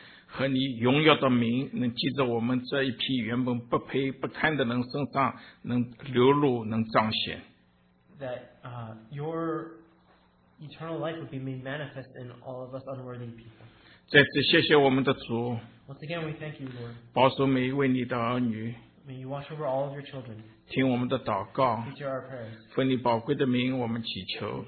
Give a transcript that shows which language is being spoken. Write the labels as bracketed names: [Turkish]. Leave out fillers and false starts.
[Chinese] 和你荣耀的名，能藉着我们这一批原本不配不堪的人身上能流露，能彰显。 [English] That your eternal life would be made manifest in all of us unworthy people. [Chinese] 再次谢谢我们的主, [English] once again, we thank you, Lord. [Chinese] 保守每一位你的儿女, [English] may you watch over all of your children. [Chinese] 听我们的祷告, [English] hear our prayers. [Chinese] 奉你宝贵的名我们祈求,